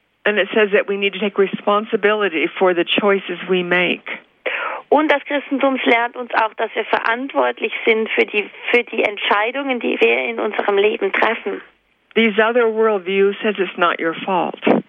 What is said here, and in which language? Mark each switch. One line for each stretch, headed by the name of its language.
English: And it says that we need to take responsibility for the choices we make.
German: Und das Christentum lehrt uns auch, dass wir verantwortlich sind für die Entscheidungen, die wir in unserem Leben treffen.
English: These other world views says it's not your fault.